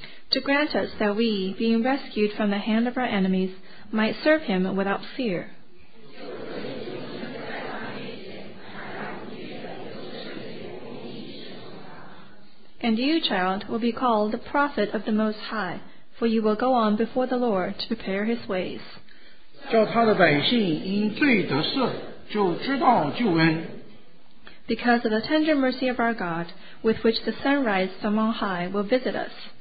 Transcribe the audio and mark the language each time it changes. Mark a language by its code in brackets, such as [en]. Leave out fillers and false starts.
[en] To grant us that we, being rescued from the hand of our enemies, might serve him without fear. And you, child, will be called the prophet of the Most High, for you will go on before the Lord to prepare his ways. [zh] 叫他的百姓因罪得赦，就知道救恩。 [en] Because of the tender mercy of our God, with which the sun rises from on high will visit us.